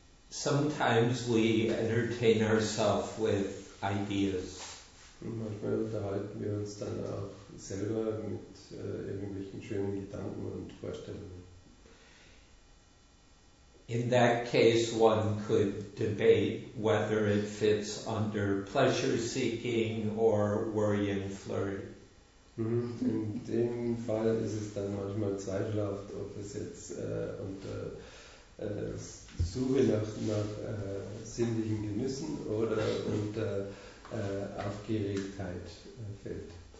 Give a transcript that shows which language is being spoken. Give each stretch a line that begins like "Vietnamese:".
English: Sometimes we entertain ourselves with ideas.
German: Und manchmal unterhalten wir uns dann auch selber mit irgendwelchen schönen Gedanken und Vorstellungen.
English: In that case, one could debate whether it fits under pleasure seeking or worry and flurry.
German: In dem Fall ist es dann manchmal zweifelhaft, ob es jetzt unter Suche nach sinnlichen Genüssen oder unter Aufgeregtheit fällt.